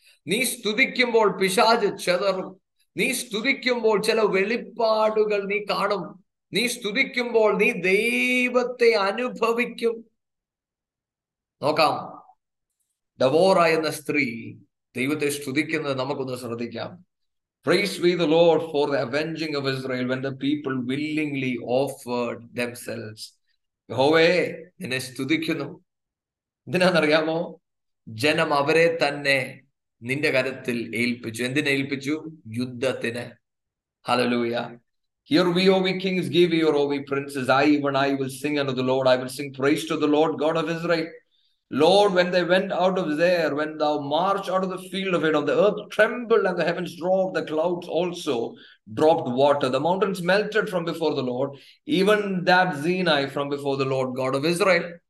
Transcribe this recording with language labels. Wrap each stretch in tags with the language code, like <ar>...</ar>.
<ml>നീ സ്തുതിക്കുമ്പോൾ പിശാച് ചെതറും. നീ സ്തുതിക്കുമ്പോൾ ചില വെളിപ്പാടുകൾ നീ കാണും. നീ സ്തുതിക്കുമ്പോൾ നീ ദൈവത്തെ അനുഭവിക്കും. നോക്കാം, ഡെബോറ എന്ന സ്ത്രീ ദൈവത്തെ സ്തുതിക്കുന്നത് നമുക്കൊന്ന് ശ്രദ്ധിക്കാം.</ml> <en>Praise be the Lord for the avenging of Israel when the people willingly offered themselves.</en> <ml>യഹോവേ നിന്നെ സ്തുതിക്കുന്നു. എന്തിനാണെന്നറിയാമോ? ജനം അവരെ തന്നെ നിന്റെ കരത്തിൽ ഏൽപ്പിച്ചു. എന്തിനേൽപ്പിച്ചു? യുദ്ധത്തിന്. Hallelujah.</ml> <en>Hear we, O we kings, give ear, O we princes. I, even I, will sing unto the Lord. I will sing praise to the Lord God of Israel. Lord, when they went out of there, when thou marched out of the field of it, on the earth trembled and the heavens dropped, the clouds also dropped water. The mountains melted from before the Lord, even that Zenai from before the Lord God of Israel.</en>